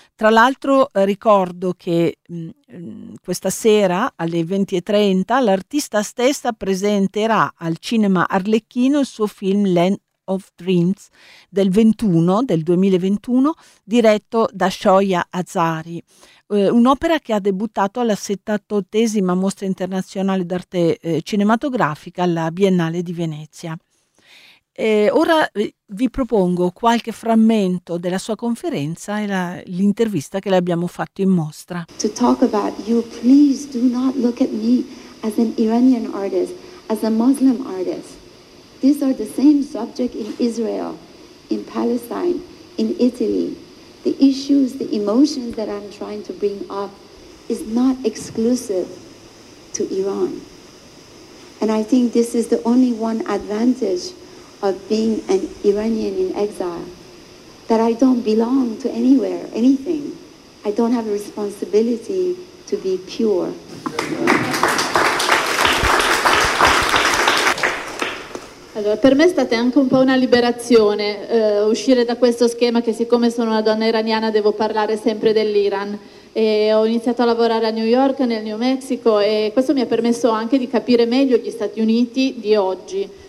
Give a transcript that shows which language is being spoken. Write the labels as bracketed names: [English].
[Italian] Tra l'altro ricordo che questa sera alle 20:30 l'artista stessa presenterà al cinema Arlecchino il suo film Land of Dreams del 2021, diretto da Shoya Azari, un'opera che ha debuttato alla 78esima mostra internazionale d'arte cinematografica alla Biennale di Venezia. Ora vi propongo qualche frammento della sua conferenza e l'intervista che le abbiamo fatto in mostra. [English] To talk about you, please do not look at me as an Iranian artist, as a Muslim artist. These are the same subject in Israel, in Palestine, in Italy. The issues, the emotions that I'm trying to bring up is not exclusive to Iran. And I think this is the only one advantage of being an Iranian in exile, that I don't belong to anywhere, anything. I don't have a responsibility to be pure. [Italian] Allora, per me è stata anche un po' una liberazione uscire da questo schema che, siccome sono una donna iraniana, devo parlare sempre dell'Iran. E ho iniziato a lavorare a New York, nel New Mexico, e questo mi ha permesso anche di capire meglio gli Stati Uniti di oggi.